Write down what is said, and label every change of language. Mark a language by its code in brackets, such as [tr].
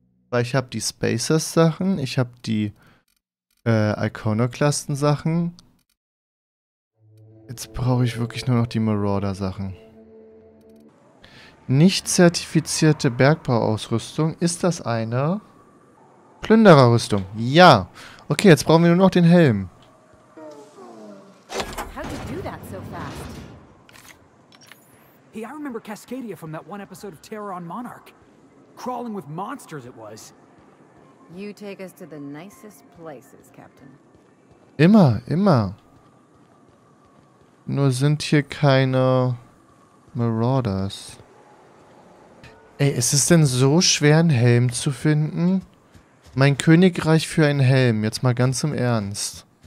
[de] Weil ich habe die Spacers-Sachen, ich habe die Iconoklasten-Sachen. Jetzt brauche ich wirklich nur noch die Marauder-Sachen. Nicht zertifizierte Bergbauausrüstung. Ist das eine Plündererrüstung? Ja. Okay, jetzt brauchen wir nur noch den Helm. [en] How did you do that so fast? Hey, I remember Cascadia from that one episode of Terror on Monarch. Crawling with monsters it was. You take us to the nicest places, Captain. [de] Immer, immer. Nur sind hier keine Marauders. Ey, ist es denn so schwer, einen Helm zu finden? Mein Königreich für einen Helm, jetzt mal ganz im Ernst.